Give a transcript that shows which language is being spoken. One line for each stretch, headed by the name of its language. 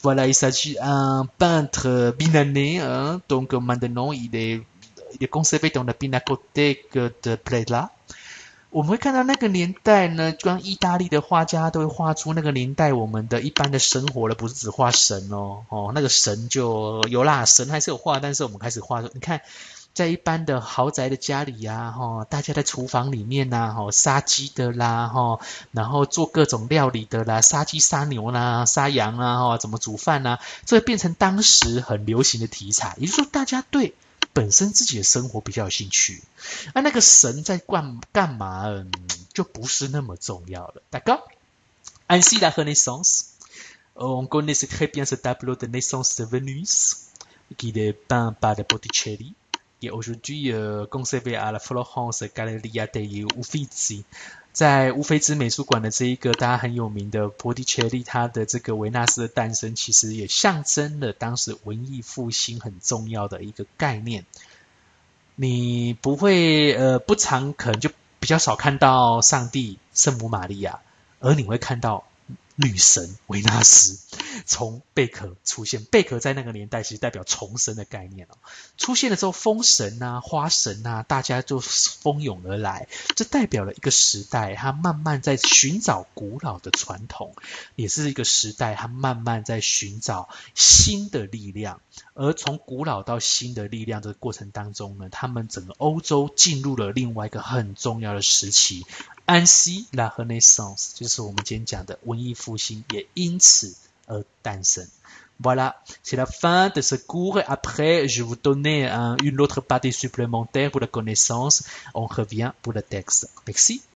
French: Voilà, il s'agit d'un peintre milanais. Donc maintenant, il est conservé dans la Pinacothèque de Brera。
Chinese: 我们会看到那个年代呢，光意大利的画家都会画出那个年代我们的一般的生活了，不是只画神哦，那个神就有啦，神还是有画，但是我们开始画，你看，在一般的豪宅的家里呀，大家在厨房里面呐，杀鸡的啦，然后做各种料理的啦，杀鸡杀牛啦，杀羊啦，怎么煮饭啦，这变成当时很流行的题材，也就是说大家对。本身自己的生活比较有兴趣，啊，那个神在干嘛，就不是那么重要了。
French: D'accord? Ainsi la Renaissance, on connaît très bien ce tableau de Naissance de Venus, qui est peint par Botticelli, qui est aujourd'hui conservé à la Florence Galleria degli Uffizi。
Chinese: 在乌菲兹美术馆的这一个大家很有名的波提切利，他的这个维纳斯的诞生，其实也象征了当时文艺复兴很重要的一个概念。你不会不常可能就比较少看到上帝圣母玛利亚，而你会看到女神维纳斯从贝壳出现。贝壳在那个年代其实代表重生的概念哦，出现了之后，风神啊、花神啊，大家就蜂拥而来。这代表了一个时代，它慢慢在寻找古老的传统，也是一个时代，它慢慢在寻找新的力量。而从古老到新的力量这个过程当中呢，他们整个欧洲进入了另外一个很重要的时期。
French: Ainsi la Renaissance，
Chinese: 就是我们今天讲的文艺复兴，也因此而诞生。
French: Voilà, c'est la fin de ce cours. Après, je vous donne une autre partie supplémentaire pour la connaissance. On revient pour le texte. Merci.